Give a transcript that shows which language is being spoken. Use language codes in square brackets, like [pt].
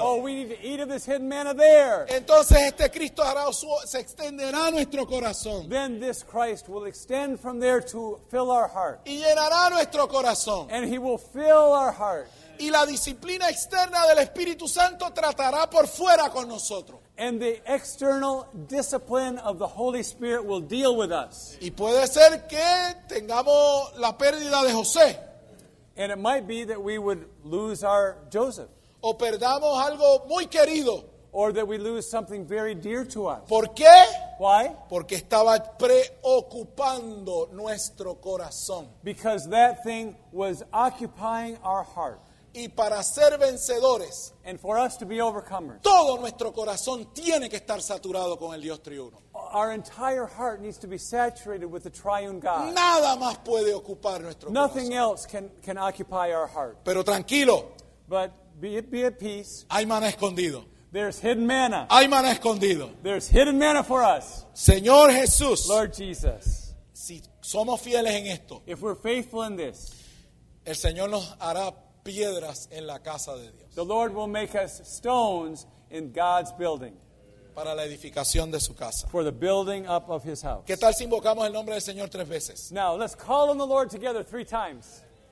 [en] Oh, we need to eat of this hidden manna there. [es] Entonces este Cristo hará su, se extenderá a nuestro corazón. [en] Then this Christ will extend from there to fill our heart. [es] Y llenará nuestro corazón. [en] And he will fill our heart. [es] Y la disciplina externa del Espíritu Santo tratará por fuera con nosotros. [en] And the external discipline of the Holy Spirit will deal with us. [es] Y puede ser que tengamos la pérdida de José. [en] And it might be that we would lose our Joseph. [es] O perdamos algo muy querido. [en] Or that we lose something very dear to us. [es] ¿Por qué? [en] Why? [es] Porque estaba preocupando nuestro corazón. [en] Because that thing was occupying our heart. [es] Y para ser vencedores, [en] and for us to be overcomers, [es] todo nuestro corazón tiene que estar saturado con el Dios triuno. [en] Our entire heart needs to be saturated with the triune God. [es] Nada más puede ocupar nuestro corazón. [en] Nothing else can occupy our heart. [es] Pero tranquilo. [en] But be at peace. [es] Hay maná escondido. [en] There's hidden manna. [es] Hay maná escondido. [en] There's hidden manna for us. [es] Señor Jesús. [en] Lord Jesus. [es] Si somos fieles en esto, [en] if we're faithful in this, [es] el Señor nos hará piedras en la casa de Dios. [en] The Lord will make us stones in God's building. [es] Para la edificación de su casa. [en] For the building up of his house. [es] ¿Qué tal si invocamos el nombre del Señor tres veces? [en] Now, let's call on the Lord together three times.